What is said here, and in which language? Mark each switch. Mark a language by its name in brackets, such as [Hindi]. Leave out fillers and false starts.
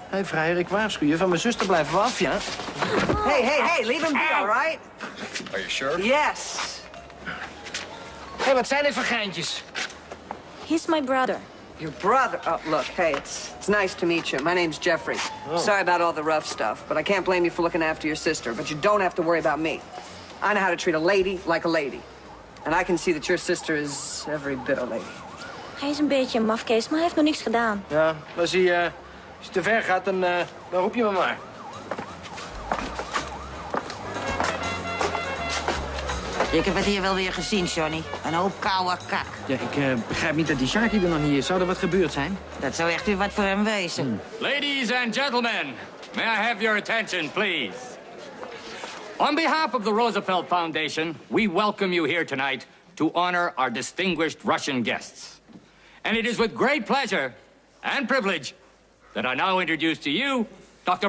[Dutch] Hey, vrijer, ik waarschuw je. Van mijn zuster blijven we af, ja? [English] Oh. Hey, leave him be, all right? Are you sure? Yes. Hey, wat zijn dit voor geintjes? He's my brother. Your brother? Oh, look, hey, it's nice to meet you. My name's Jeffrey. Oh. Sorry about all the rough stuff, but I can't blame you for looking after your sister. But you don't have to worry about me. I know how to treat a lady like a lady. And I can see that your sister is every bit a lady. [Dutch] Hij is een beetje een mafkees, maar hij heeft nog niks gedaan. Ja, als hij te ver gaat, dan roep je me maar. Ik heb het hier wel weer gezien, Johnny. Een hoop koude kak. Ja, ik begrijp niet dat die Sharky er nog niet is. Zou er wat gebeurd zijn? Dat zou echt weer wat voor hem wezen. Hmm. [English] Ladies and gentlemen, may I have your attention, please? On behalf of the Roosevelt Foundation, we welcome you here tonight to honor our distinguished Russian guests. And it is with great pleasure and privilege that I now introduce to you Dr.